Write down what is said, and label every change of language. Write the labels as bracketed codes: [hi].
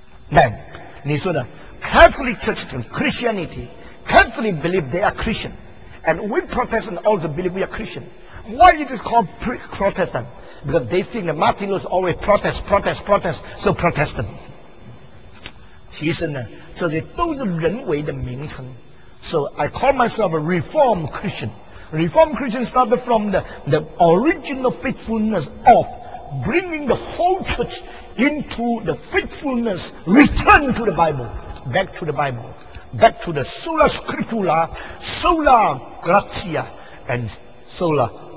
[en] Then, [zh] 你说的 [en] Catholic Church and Christianity, Catholic believe they are Christian, and we Protestant also believe we are Christian. Why it is called Protestant? Because they think that Martin Luther always protest, so Protestant. [zh] 其实呢，这些都是人为的名称。 [en] So I call myself a Reformed Christian. Reformed Christian started from the original faithfulness of bringing the whole church into the faithfulness, return to the Bible, back to the Bible, back to the sola scriptura, sola gratia, and sola